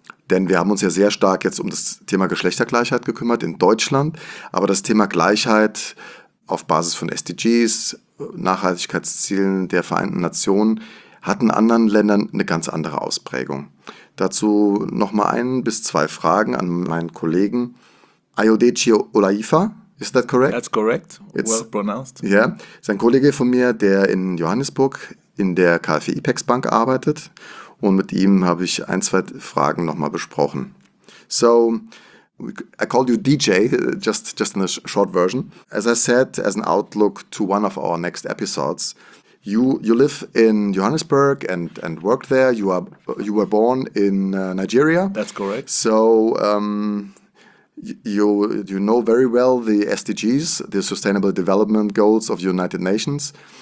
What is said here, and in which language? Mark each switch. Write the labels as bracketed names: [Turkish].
[German] Denn wir haben uns ja sehr stark jetzt um das Thema Geschlechtergleichheit gekümmert in Deutschland. Aber das Thema Gleichheit auf Basis von SDGs, Nachhaltigkeitszielen der Vereinten Nationen, hat in anderen Ländern eine ganz andere Ausprägung. Dazu nochmal ein bis zwei Fragen an meinen Kollegen. [English] Ayodeji Olaifa, is that correct? That's correct. It's, well pronounced. Ja, yeah. [German] Ist ein Kollege von mir, der in Johannesburg in der KfW IPEX Bank arbeitet. Und mit ihm habe ich ein, zwei Fragen nochmal besprochen. [English] So, I called you DJ, just in a short version. As I said, as an outlook to one of our next episodes, you live in Johannesburg and work there. You were born in Nigeria. That's correct. So, you know very well the SDGs, the Sustainable Development Goals of the United Nations.